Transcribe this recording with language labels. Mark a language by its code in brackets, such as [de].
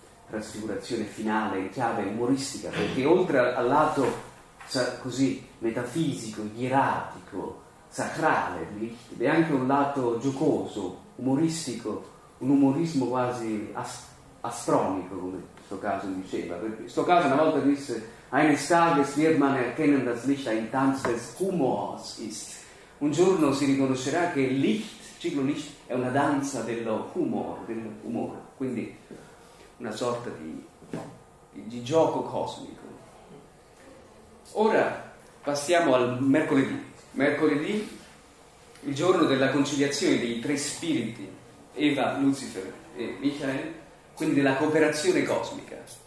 [it] trasfigurazione finale in chiave umoristica, perché oltre al lato così metafisico, ieratico, sacrale, è anche un lato giocoso, umoristico, un umorismo quasi astronico, come Stockhausen diceva. [de] Stockhausen [it] una volta disse: [de] Eines Tages wird man erkennen, das Licht ein Tanz des Humors ist. [it] Un giorno si riconoscerà che il Licht, ciclo Licht, è una danza dell'umore, quindi una sorta di gioco cosmico. Ora passiamo al mercoledì. Mercoledì, il giorno della conciliazione dei tre spiriti, Eva, Lucifer e Michael, quindi della cooperazione cosmica.